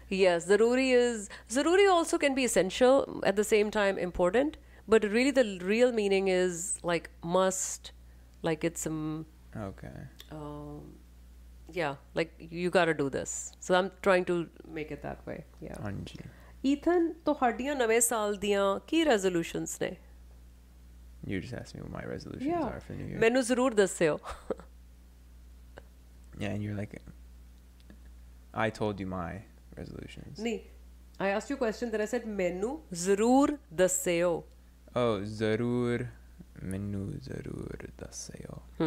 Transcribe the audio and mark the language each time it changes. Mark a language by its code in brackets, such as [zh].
[en] Yes, zaruri also can be essential, at the same time important, but really the real meaning is like must, like it's some. Okay. Yeah, like you got to do this. So I'm trying to make it that way. Yeah. [pa] Anji. Ethan, ਤੁਹਾਡੀਆਂ ਨਵੇਂ ਸਾਲ ਦੀਆਂ ਕੀ ਰੈਜ਼ੋਲੂਸ਼ਨਸ ਨੇ? [en] You just asked me what my resolutions are for New Year. [pa] ਮੈਨੂੰ ਜ਼ਰੂਰ ਦੱਸਿਓ. [en] Yeah, and you're like, I told you my resolutions. [pa] ਨਹੀਂ, [en] I asked you a question, then I said, [pa] ਮੈਨੂੰ ਜ਼ਰੂਰ ਦੱਸਿਓ. Oh, ਜ਼ਰੂਰ, ਮੈਨੂੰ ਜ਼ਰੂਰ ਦੱਸਿਓ.